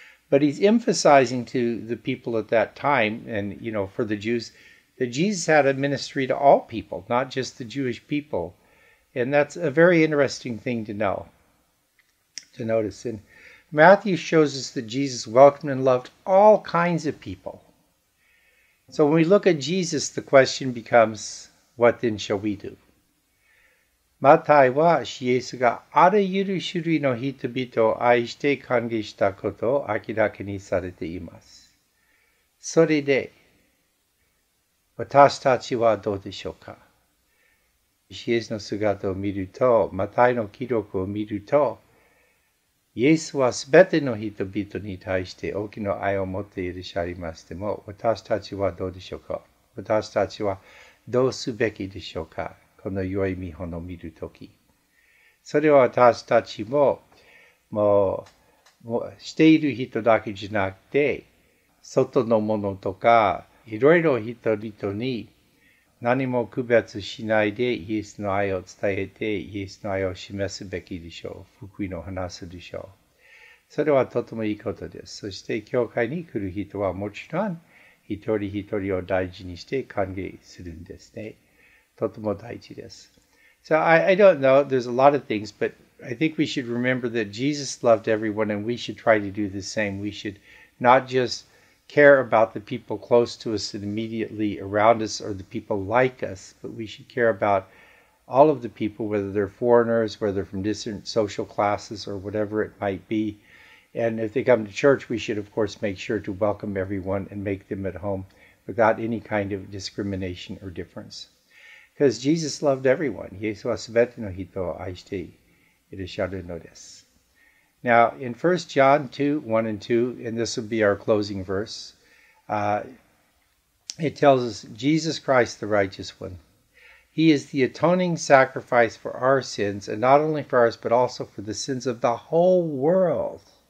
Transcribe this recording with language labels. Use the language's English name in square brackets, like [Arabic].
[English] But he's emphasizing to the people at that time, and, you know, for the Jews, that Jesus had a ministry to all people, not just the Jewish people. And that's a very interesting thing to know, to notice. And Matthew shows us that Jesus welcomed and loved all kinds of people. So when we look at Jesus, the question becomes, what then shall we do? [Japanese] マタイはイエスがあらゆる種類の人々を愛して歓迎したことを明らかにされています。それで、私たちはどうでしょうか？イエスの姿を見ると、マタイの記録を見ると、イエスはすべての人々に対して大きな愛を持っていらっしゃいましても、私たちはどうでしょうか？私たちはどうすべきでしょうか？この良い見本を見るとき。それは私たちも、もうしている人だけじゃなくて、外のものとか、いろいろ人々に何も区別しないでイエスの愛を伝えて、イエスの愛を示すべきでしょう。福音を話すでしょう。それはとてもいいことです。そして教会に来る人はもちろん、一人一人を大事にして歓迎するんですね。とても大事です。 [English] So I don't know, there's a lot of things, but I think we should remember that Jesus loved everyone and we should try to do the same. We should not just care about the people close to us and immediately around us or the people like us, but we should care about all of the people, whether they're foreigners, whether they're from different social classes or whatever it might be. And if they come to church, we should, of course, make sure to welcome everyone and make them at home without any kind of discrimination or difference. Because Jesus loved everyone. [Japanese] イエスはすべての人を愛していらっしゃるのです。 [English] Now, in 1 John 2, 1 and 2, and this will be our closing verse, it tells us, Jesus Christ, the righteous one, he is the atoning sacrifice for our sins, and not only for ours, but also for the sins of the whole world.